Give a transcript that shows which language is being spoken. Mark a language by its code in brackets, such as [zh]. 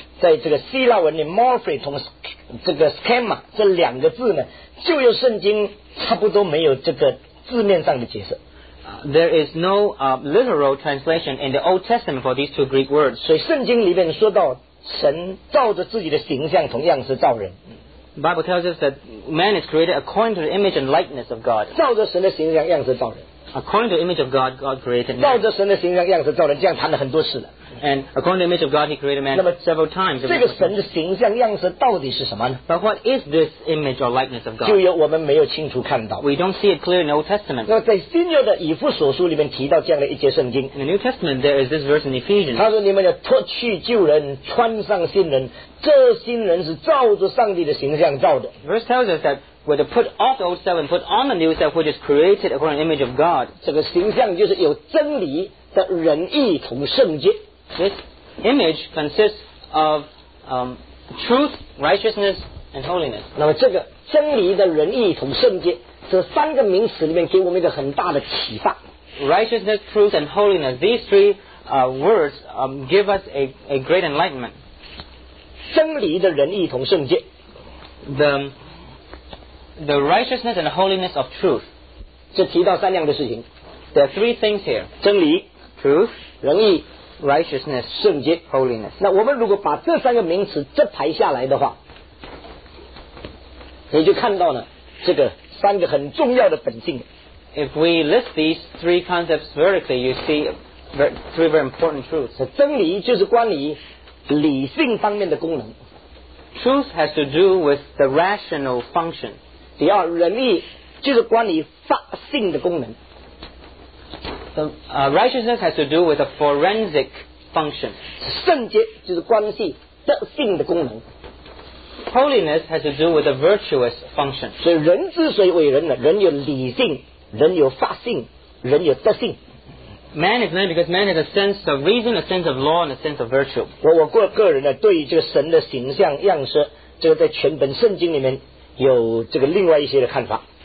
[zh] 在这个希腊文的 morphe 同这个 schema 这两个字呢，旧约圣经差不多没有这个字面上的解释。 [en] There is no literal translation in the Old Testament for these two Greek words. [zh] 所以圣经里面说到神照着自己的形象同样是造人。 [en] Bible tells us that man is created according to the image and likeness of God. [zh] 照着神的形象样式造人。 [en] According to the image of God, God created man. [zh] 照着神的形象样式造人，这样谈了很多次了。 [en] And according to the image of God, He created man several times. [zh] 这个神的形象样式到底是什么呢？ [en] But what is this image or likeness of God? [zh] 就有我们没有清楚看到。 [en] We don't see it clearly in the Old Testament. [zh] 那在新约的以弗所书里面提到这样的一节圣经。 [en] In the New Testament, there is this verse in Ephesians. [zh] 他说你们要脱去旧人，穿上新人，这新人是照着上帝的形象造的。 [en] Verse tells us that we're to put off the old self and put on the new self, which is created according to the image of God. [zh] 这个形象就是有真理的仁义同圣洁。 [en] This image consists of truth, righteousness, and holiness. [zh] 那么这个真理的仁义同圣洁这三个名词里面给我们一个很大的启发。 [en] Righteousness, truth, and holiness. These three words give us a great enlightenment. [zh] 真理的仁义同圣洁。 [en] The righteousness and the holiness of truth. [zh] 这提到三样的事情。 [en] There are three things here. [zh] 真理 [en] truth, [zh] 仁义 [en] Righteousness, [zh] 圣洁 [en] holiness. [zh] 那我们如果把这三个名词这排下来的话，你就看到了这个三个很重要的本性。 [en] If we list these three concepts vertically, you see three very important truths. [zh] 真理就是关于理性方面的功能。 [en] Truth has to do with the rational function. [zh] 第二，仁义就是关于法性的功能。 [en] Righteousness has to do with a forensic function. [zh] 圣洁就是关系德性的功能。 [en] Holiness has to do with a virtuous function. [zh] 所以人之所以为人呢，人有理性，人有法性，人有德性。 [en] Man is man because man has a sense of reason, a sense of law, and a sense of virtue. [zh] 我个人呢，对于这个神的形象样式，这个在全本圣经里面有这个另外一些的看法。